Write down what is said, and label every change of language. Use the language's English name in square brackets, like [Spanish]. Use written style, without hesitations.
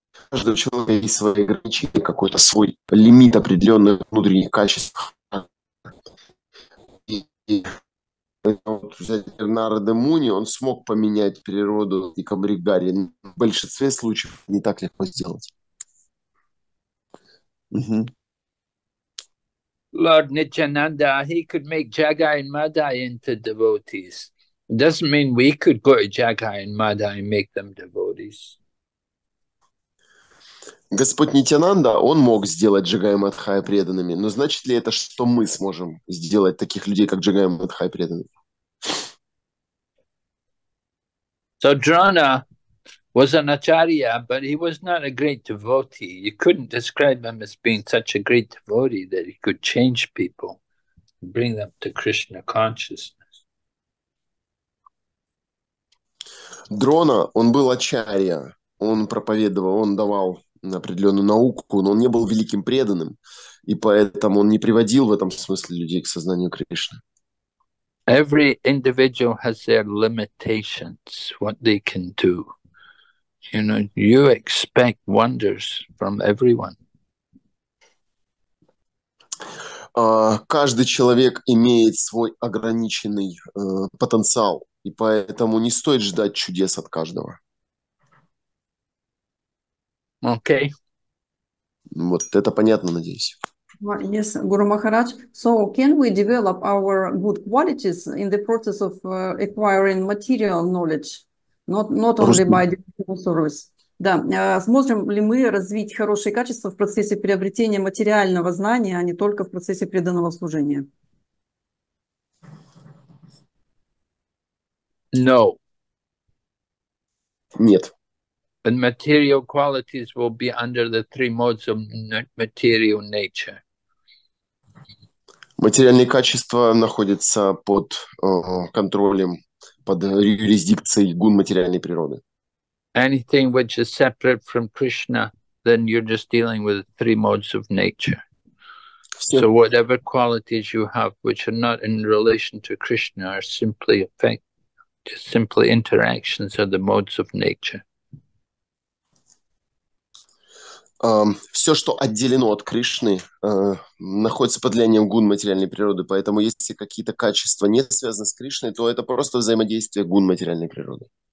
[Russian] Каждого человека есть свои ограничения, какой-то свой лимит определенных внутренних качеств. И вот взять Нарада Муни, он смог поменять природу и Камригари. В большинстве случаев не так легко сделать. [English] Lord Nityananda, he could make Jagai and Madai into devotees. It doesn't mean we could go to Jagai and Madai and make them devotees. [Russian] Господь Нитянанда, он мог сделать Джагая Мадхая преданными, но значит ли это, что мы сможем сделать таких людей, как Джагая Мадхая преданными? [English] So Drona was an acharya, but he was not a great devotee. You couldn't describe him as being such a great devotee that he could change people, bring them to Krishna consciousness. [Russian] Дрона, он был ачарья, он проповедовал, он давал определенную науку, но он не был великим преданным, и поэтому он не приводил в этом смысле людей к сознанию Кришны. [English] Every individual has their limitations, what they can do. You know, you expect wonders from everyone. [Russian] Каждый человек имеет свой ограниченный потенциал, и поэтому не стоит ждать чудес от каждого. [English] Okay. [Russian] Вот это понятно, надеюсь. [English] Well, yes, Guru Maharaj. So can we develop our good qualities in the process of acquiring material knowledge, not only [Russian] Рустам. [English] By devotional service? [Russian] Да, сможем ли мы развить хорошие качества в процессе приобретения материального знания, а не только в процессе преданного служения? [English] No. [Russian] Нет. [English] And material qualities will be under the three modes of material nature. [Russian] Материальные качества находятся под контролем, под юрисдикцией гун материальной природы. [English] Anything which is separate from Krishna, then you're just dealing with the three modes of nature. [Russian] Все. [English] So whatever qualities you have which are not in relation to Krishna are simply effect, just simply interactions of the modes of nature. [Russian] Все, что отделено от Кришны, находится под влиянием гун материальной природы. Поэтому если какие-то качества не связаны с Кришной, то это просто взаимодействие гун материальной природы.